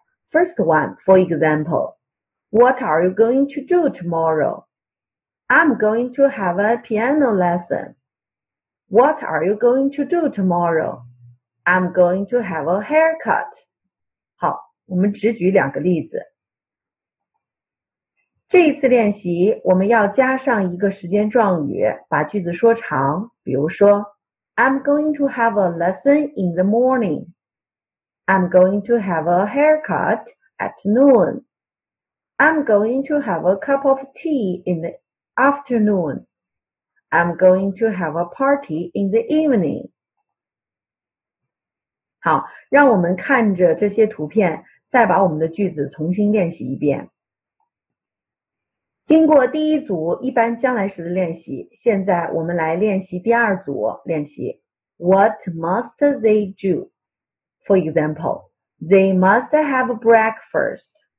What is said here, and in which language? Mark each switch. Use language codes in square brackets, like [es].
[en] First one, for example， What are you going to do tomorrow? I'm going to have a piano lesson. What are you going to do tomorrowI'm going to have a haircut. [zh] 好，我们只举两个例子。这一次练习，我们要加上一个时间状语，把句子说长。比如说 [en] ，I'm going to have a lesson in the morning. I'm going to have a haircut at noon. I'm going to have a cup of tea in the afternoon. I'm going to have a party in the evening. [zh] 好，让我们看着这些图片，再把我们的句子重新练习一遍。经过第一组一般将来时的练习，现在我们来练习第二组练习。 [en] What must they do? For example, they must have breakfast.